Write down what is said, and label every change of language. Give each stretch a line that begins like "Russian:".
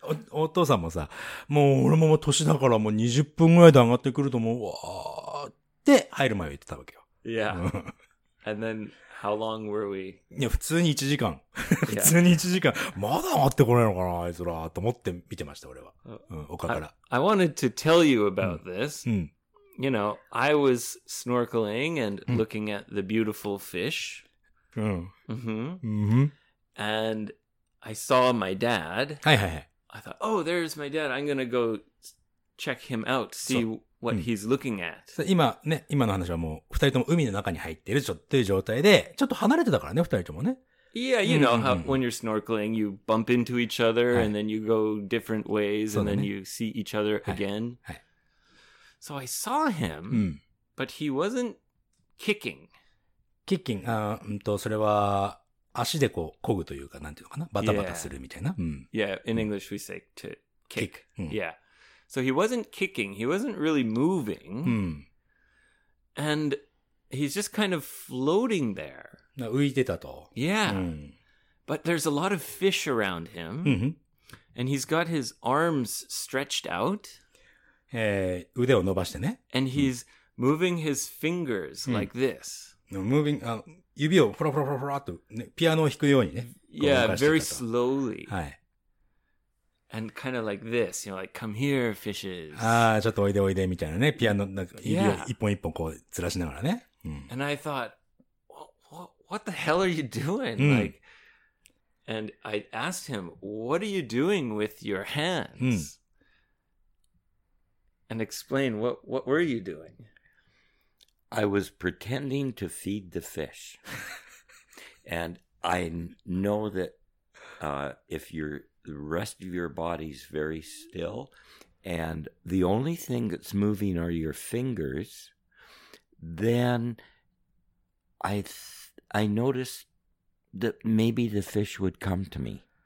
Japanese: お父さんもさ、もう俺も年だからもう20分ぐらいで上がってくると思う、わーって入る前は言ってたわけよ。
English: Yeah. And then, how long were we?
Japanese: いや、普通に1時間。普通に1時間。まだ上がってこないのかな、あいつら、と思って見てました、俺は。うん、丘から。
English: I wanted to tell you about this.
Japanese: うん。うん、
English: You know, I was snorkeling and looking at the beautiful fish. And I saw my dad. I thought, oh, there's my dad. I'm going to go check him out, see what he's looking at.
Japanese: 今ね、今の話はもう二人とも海の中に入ってるっていう状態で、ちょっと離れてたからね、二人ともね。
English: Yeah, you know how when you're snorkeling, you bump into each other and then you go different ways and then you see each other again. So I saw him, but he wasn't kicking.
Japanese: Kicking, それは足でこう漕ぐというか、なんていうのかな、バタバタするみたいな。
English: Yeah, in English we say to kick. Yeah. So he wasn't kicking, he wasn't really moving. And he's just kind of floating there.
Japanese: 浮いてたと。
English: Yeah. But there's a lot of fish around him. And he's got his arms stretched out.
Japanese: 腕を伸ばしてね。
English: And he's moving his fingers like this.
Japanese: Moving, 指をフラフラフラフラと、ね、ピアノを弾くようにね。
English: Yeah, very slowly.
Japanese: はい。
English: And kind of like this, you know, like, come here, fishes.
Japanese: ああ、ちょっとおいでおいでみたいなね。ピアノ、なんか指を一本一本こうずらしながらね。
English: And I thought, what, what the hell are you doing? Mm. Like, and I asked him, what are you doing with your hands? Mm. And explain, what were you doing? I was pretending to feed the fish. And I know that if you're, the rest of your body's very still, and the only thing that's moving are your fingers, then I noticed that maybe the fish would come to me.